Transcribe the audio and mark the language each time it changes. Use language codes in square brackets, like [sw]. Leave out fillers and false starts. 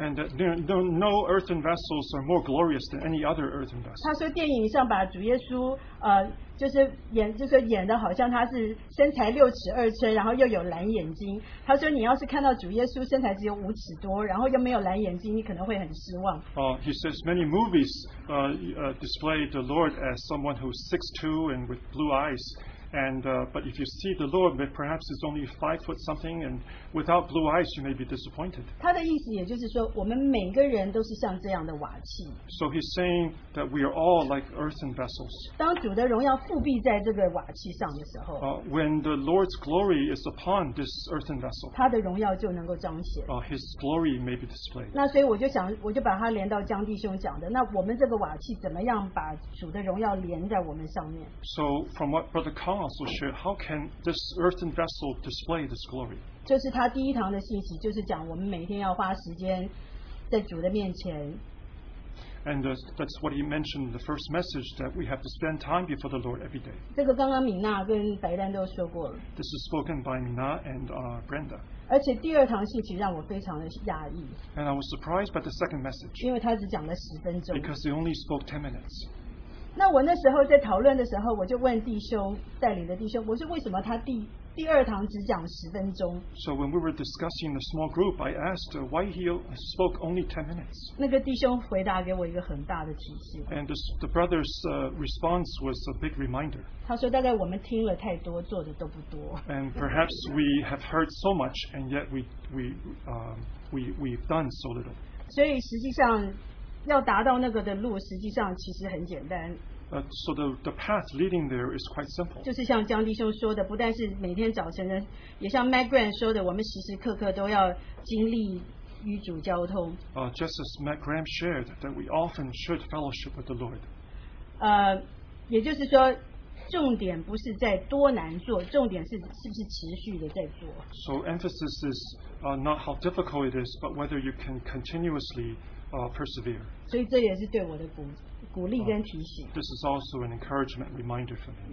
[en] And no earthen vessels are more glorious than any other earthen vessel. [zh] 他说电影上把主耶稣演的好像他是身材六尺二寸，然后又有蓝眼睛。他说你要是看到主耶稣身材只有五尺多，然后又没有蓝眼睛，你可能会很失望。 [en] He says many movies display the Lord as someone who's 6'2" and with blue eyes. But if you see the Lord, perhaps it's only 5 foot something, and without blue eyes, you may be disappointed. [zh] 他的意思也就是说，我们每个人都是像这样的瓦器。 [en] So he's saying that we are all like earthen vessels. [zh] 当主的荣耀复辟在这个瓦器上的时候 [en] ，When the Lord's glory is upon this earthen vessel, [zh] 他的荣耀就能够彰显。 [en] His glory may be displayed. [zh] 那所以我就把它连到江弟兄讲的。那我们这个瓦器怎么样把主的荣耀连在我们上面 [en] ？So from what Brother Kong John also shared, how can this earthen vessel display this glory? [zh] 这是他第一堂的信息, 就是讲我们每天要花时间 在主的面前。 [en] And that's what he mentioned in the first message, that we have to spend time before the Lord every day. [zh] 这个刚刚米娜跟白丹都说过了。 [en] This is spoken by Mina and Brenda. [zh] 而且第二堂信息让我非常的讶异。 [en] And I was surprised by the second message. [zh] 因为他只讲了十分钟。 [en] Because he only spoke 10 minutes. [zh] 那我那时候在讨论的时候, 我就问弟兄, 带领的弟兄, 我说为什么他第 第二堂只讲十分钟, [en] so when we were discussing the small group, I asked why he spoke only 10 minutes. [zh] 那个弟兄回答给我一个很大的提醒。 [en] And the brother's response was a big reminder. [zh] 他说大概我们听了太多, 做的都不多。 [en] And perhaps we have heard so much, and yet we've done so little. [zh] 所以实际上要达到那个的路, 实际上其实很简单。 [en] So the path leading there is quite simple. [zh] 就是像江弟兄说的, 不但是每天早晨的, 也像Matt Graham说的, 我们时时刻刻都要经历与主交通。 [en] Just as Matt Graham shared, that we often should fellowship with the Lord. [zh] 也就是说, 重点不是在多难做, 重点是不是持续的在做。 [en] So emphasis is not how difficult it is, but whether you can continuously persevere. [zh] 所以这也是对我的鼓, 鼓励跟提醒。 [en] This is also an encouragement reminder for me.